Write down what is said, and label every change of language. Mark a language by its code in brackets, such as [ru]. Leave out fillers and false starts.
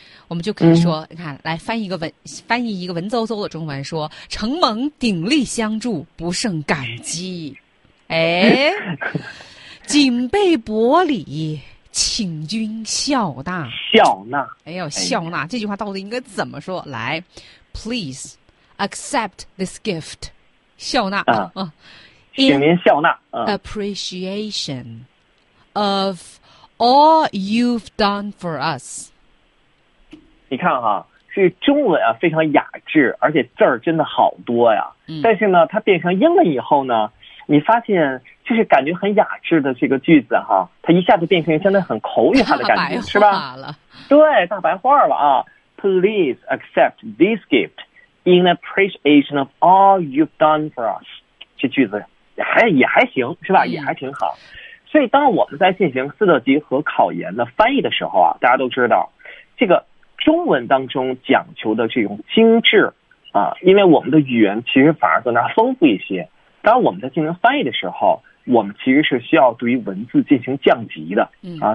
[zh] 我们就可以说，你看，来翻译一个文绉绉的中文，说承蒙鼎力相助，不胜感激。哎，锦被薄礼，请君笑纳。笑纳。哎呦，笑纳、哎、这句话到底应该怎么说？来 [en] ，please accept this gift， [zh] 笑纳。请您笑纳、 [en] appreciation of all you've done for us。 [zh] 你看哈、是中文啊，非常雅致，而且字儿真的好多呀。但是呢，它变成英文以后呢，你发现就是感觉很雅致的这个句子哈，它一下子变成相当很口语化的感觉，是吧？对，大白话了啊。 [en] Please accept this gift in appreciation of all you've done for us。 [zh] 这句子。也还行是吧？也还挺好。所以当我们在进行四特级和考研的翻译的时候啊，大家都知道，这个中文当中讲求的这种精致啊，因为我们的语言其实反而更加丰富一些。当我们在进行翻译的时候，我们其实是需要对于文字进行降级的啊。